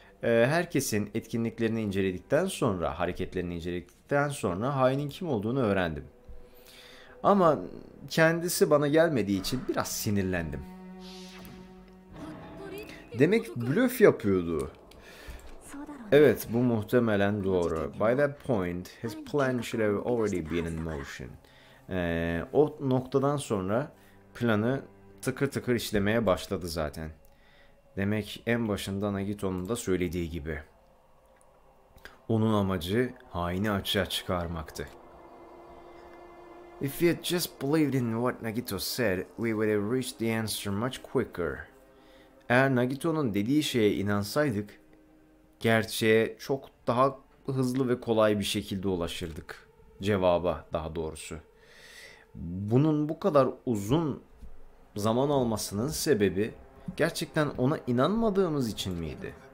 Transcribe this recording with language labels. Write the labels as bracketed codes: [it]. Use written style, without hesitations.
[tr] Herkesin etkinliklerini inceledikten sonra, hareketlerini inceledikten sonra hainin kim olduğunu öğrendim. Ama kendisi bana gelmediği için biraz sinirlendim. Demek blöf yapıyordu. Evet, bu muhtemelen doğru. [en] By that point, his plan should have already been in motion. [tr] O noktadan sonra planı tıkır tıkır işlemeye başladı zaten. Demek en başında Nagito'nun da söylediği gibi. Onun amacı haini açığa çıkarmaktı. [en] If we had just believed in what Nagito said, we would have reached the answer much quicker. [tr] Eğer Nagito'nun dediği şeye inansaydık, gerçeğe çok daha hızlı ve kolay bir şekilde ulaşırdık. Cevaba daha doğrusu. Bunun bu kadar uzun zaman almasının sebebi gerçekten ona inanmadığımız için miydi?